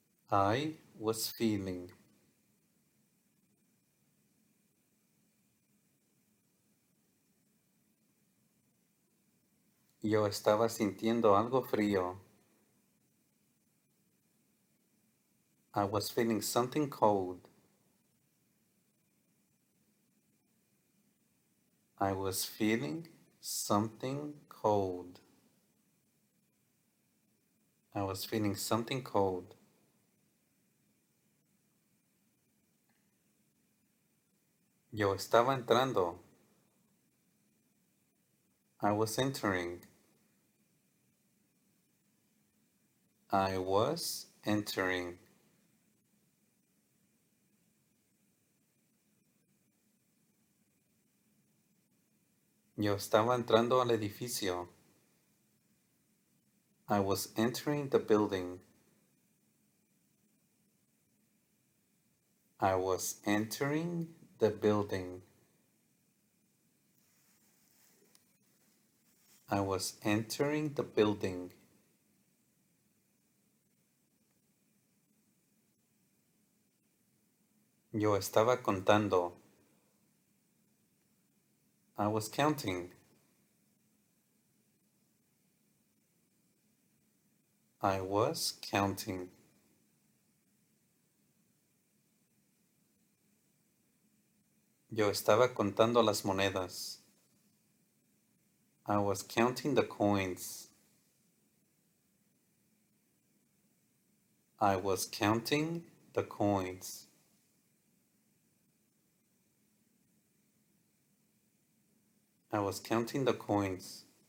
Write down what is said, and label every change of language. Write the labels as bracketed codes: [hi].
[en] I was feeling. [es] Yo estaba sintiendo algo frío. [en] I was feeling something cold. I was feeling something cold. I was feeling something cold. [es] Yo estaba entrando. [en] I was entering. I was entering. [es] Yo estaba entrando al edificio. [en] I was entering the building. I was entering the building. I was entering the building. [es] Yo estaba contando. [en] I was counting. I was counting. [es] Yo estaba contando las monedas. [en] I was counting the coins. I was counting the coins. I was counting the coins.